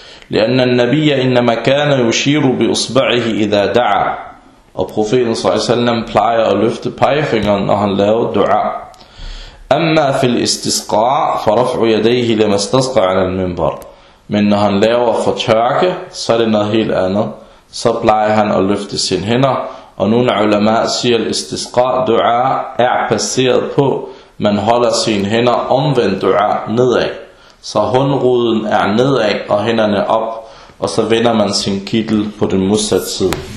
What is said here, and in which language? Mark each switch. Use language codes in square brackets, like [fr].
[ar] لأن النبي إنما كان يشير بإصبعه إذا دعا. [da] Og profeten s.a.v. plejer at løfte pegefingeren, når han laver et dua. [ar] أما في الاستسقاء فرفع يديه لما استسقى على المنبر. [da] Men når han laver fortørke, så er det noget helt andet. Så plejer han at løfte sine hænder. Og nogle ulama siger, at istisqa du'a er baseret på, man holder sine hænder omvendt du'a nedad. Så håndruden er nedad og hænderne op, og så vender man sin kittel på den modsatte side.